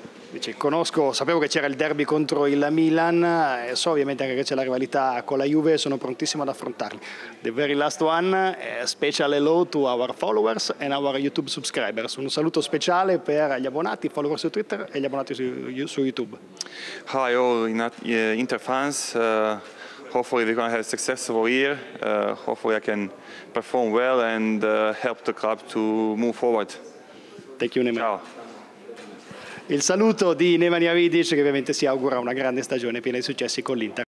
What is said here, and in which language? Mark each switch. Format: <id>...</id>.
<it>Dice, conosco, sapevo che c'era il derby contro il Milan, e so ovviamente anche che c'è la rivalità con la Juve, sono prontissimo ad affrontarli.</it> <en>The very last one, special hello to our followers and our YouTube subscribers.</en> <it>Un saluto speciale per gli abbonati, i follower su Twitter e gli abbonati su YouTube.</it> <en>Hi all Inter fans, hopefully we're going to have a successful year, hopefully I can perform well and help the club to move forward. Thank you, Nemanja.</en> <it>Il saluto di Nemanja Vidić, che ovviamente si augura una grande stagione piena di successi con l'Inter.</it>